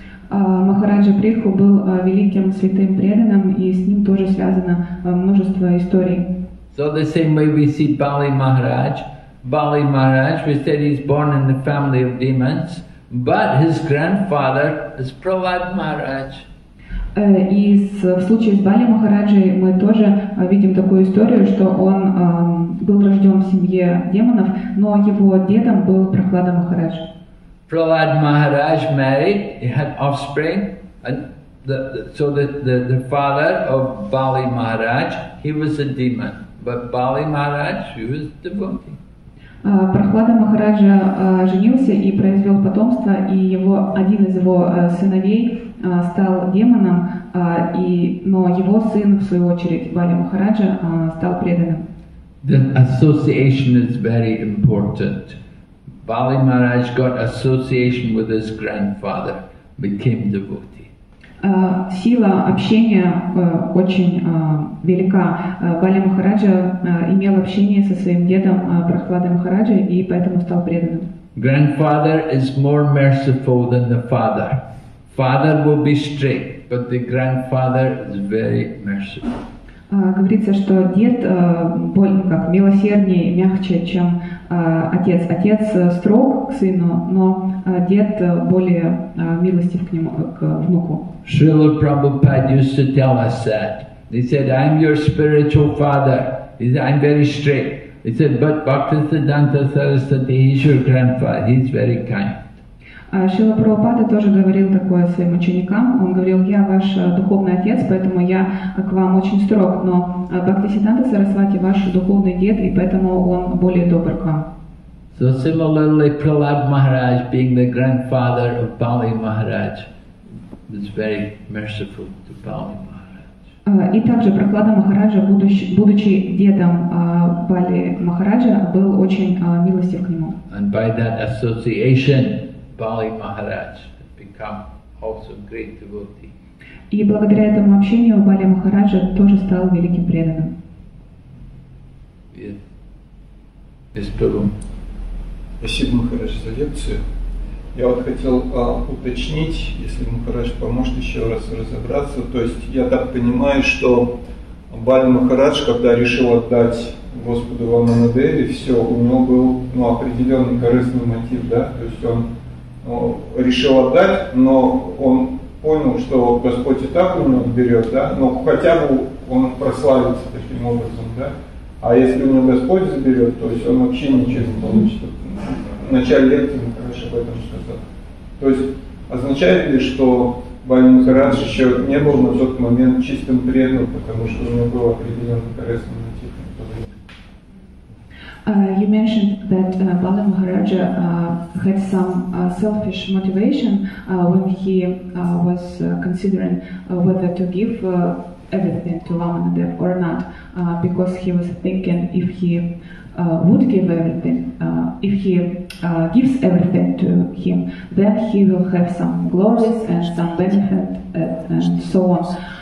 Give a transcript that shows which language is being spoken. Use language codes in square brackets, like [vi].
[ru] Махараджа Притху был великим святым преданным, и с ним тоже связано множество историй. [en] So the same way we see Bali Maharaj. Bali Maharaj, we said he's born in the family of demons, but his grandfather is Prahlad Maharaj. [ru] И в случае с Бали Махараджей мы тоже видим такую историю, что он был рожден в семье демонов, но его дедом был Прахлада Махарадж. [en] Prahlad Maharaj married, he had offspring, and the father of Bali Maharaj, he was a demon, but Bali Maharaj, he was devotee. [ru] Прахлада Махараджа женился и произвел потомство, и его один из его сыновей стал демоном, но его сын, в свою очередь, Бали Махараджа, стал преданным. [en] The association is very important. Bali Maharaj got association with his grandfather, became devotee. [ru] Сила общения очень велика. Бали Махараджа имел общение со своим дедом Прахладой Махараджа и поэтому стал преданным. [en] Grandfather is more merciful than the father. Father will be strict, but the grandfather is very merciful. [ru] Говорится, что дед более как милосерднее, мягче, чем отец. Отец строг к сыну, но дед более милостив к нему, к внуку. [en] Шрила Прабхупада used to tell us that. He said, "I'm your spiritual father." He said, "I'm very strict." He said, "But Bhaktisiddhanta Sarasvati, he's your grandfather. He's very kind." [ru] Шрила Прабхупада тоже говорил такое своим ученикам. Он говорил, я ваш духовный отец, поэтому я к вам очень строг, но Бхактисиддханта Сарасвати ваш духовный дед, и поэтому он более добр к вам. [en] So similarly, Prahlad Maharaj, being the grandfather of Bali Maharaj, was very merciful to Bali Maharaj. [ru] И также Прахлада Махараджа, будучи дедом Бали Махараджа, был очень милостив к нему. [en] And by that association, Bali Maharaj had become also a great devotee. [ru] И благодаря этому общению Бали Махараджа тоже стал великим преданным. Спасибо, Махарадж, за лекцию. Я вот хотел уточнить, если Махарадж поможет еще раз разобраться. То есть я так понимаю, что Бали Махарадж, когда решил отдать Господу Ванамадеви, все, у него был определенный корыстный мотив, да? То есть он решил отдать, но он понял, что Господь и так у него берет, да, но хотя бы он прославится таким образом, да. А если у него Господь заберет, то есть он вообще ничего не получит. В начале лекции, короче, об этом сказал. То есть означает ли, что Бали Махарадж еще не был на тот момент чистым преданным, потому что у него был определенный корыстный мотив. [en] You mentioned that Bali Maharaja had some selfish motivation when he was considering whether to give everything to Lamanadev or not, because he was thinking if he would give everything, if he gives everything to him, then he will have some glories and some benefit and so on.